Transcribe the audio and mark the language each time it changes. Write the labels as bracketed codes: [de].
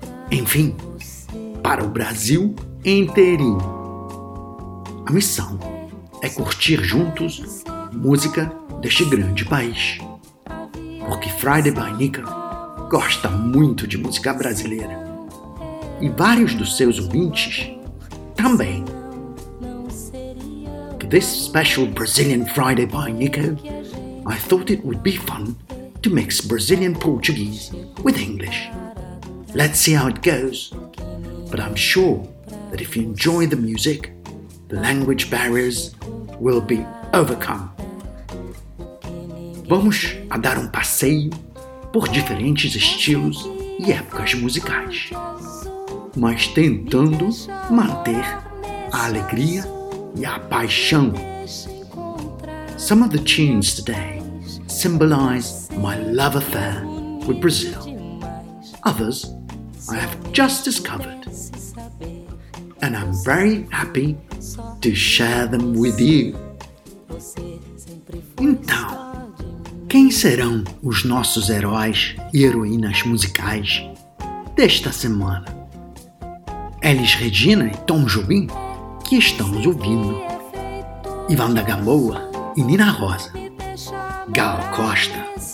[pt] Enfim, para o Brasil inteirinho. A missão é curtir juntos música deste grande país. Porque Friday by Nico gosta muito de música brasileira. E vários dos seus ouvintes também. [en] For this special Brazilian Friday by Nico, I thought it would be fun to mix Brazilian Portuguese with English. Let's see how it goes. But I'm sure that if you enjoy the music, the language barriers will be overcome. [pt] Vamos a dar passeio por diferentes estilos e épocas musicais, mas tentando manter a alegria e a paixão. [en] Some of the tunes today symbolize my love affair with Brazil. Others I have just discovered. And I'm very happy to share them with you. [pt] Então, quem serão os nossos heróis e heroínas musicais desta semana? Elis Regina e Tom Jobim, que estamos ouvindo. Ivanda Gamboa e Nina Rosa. Gal Costa.